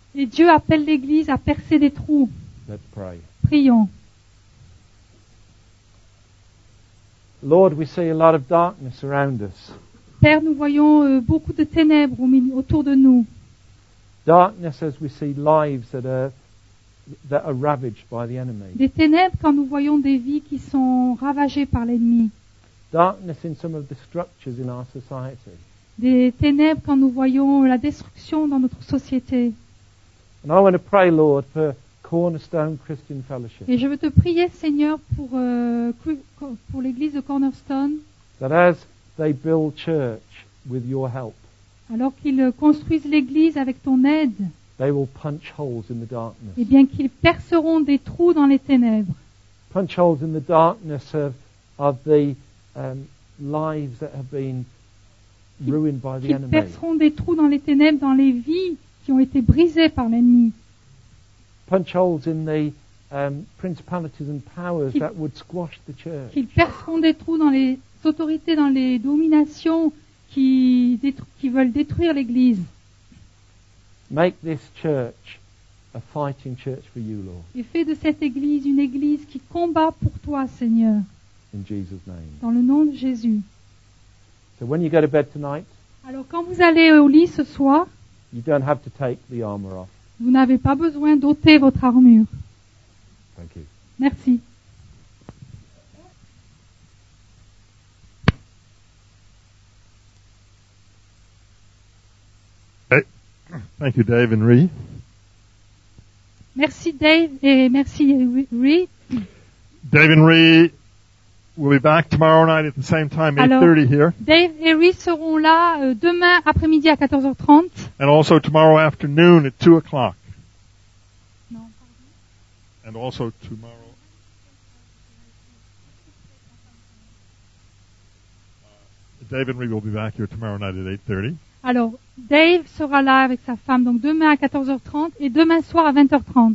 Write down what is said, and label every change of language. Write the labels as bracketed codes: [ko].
[fr] Et Dieu appelle l'église à percer des trous. [en] Let's pray. [fr] Prions. [en] Lord, we see a lot of darkness around us. [fr] Père, nous voyons beaucoup de ténèbres autour de nous. [en] Darkness as we see lives that are ravaged by the enemy. [fr] Des ténèbres quand nous voyons des vies qui sont ravagées par l'ennemi. [en] Darkness in some of the structures in our society. [fr] Des ténèbres quand nous voyons la destruction dans notre société. [en] And I want to pray, Lord, for Cornerstone Christian Fellowship. [fr] Et je veux te prier, Seigneur, pour l'église de Cornerstone. [en] That as they build church with your help. [fr] Alors qu'ils construisent l'église avec ton aide, [en] they will punch holes in the darkness. [fr] Et bien qu'ils perceront des trous dans les ténèbres. [en] Punch holes in the darkness of the lives that have been ruined by the enemy. [fr] Ils perceront des trous dans les ténèbres dans les vies qui ont été brisées par l'ennemi. [en] Punch holes in the principalities and powers that would squash the church. [fr] Ils perceront des trous dans les autorités, dans les dominations. Qui veulent détruire l'église. [en] Make this church a fighting church for you, Lord. [fr] Et fais de cette église une église qui combat pour toi, Seigneur. [en] In Jesus' name. [fr] Dans le nom de Jésus. [en] So when you go to bed tonight, [fr] alors quand vous allez au lit ce soir, [en] you don't have to take the armor off. [fr] Vous n'avez pas besoin d'ôter votre armure. [en] Thank you. [fr] Merci. [en] Thank you, Dave and Ree. [fr] Merci, Dave, et merci, Ree. [en] Dave and Ree will be back tomorrow night at the same time, 8:30 here. [fr] Dave et Ree seront là demain après-midi à 14h30. [en] And also tomorrow afternoon at 2 o'clock. [fr] Non. [en] And also tomorrow. Dave and Ree will be back here tomorrow night at 8:30. [fr] Alors, Dave sera là avec sa femme, donc demain à 14h30 et demain soir à 20h30.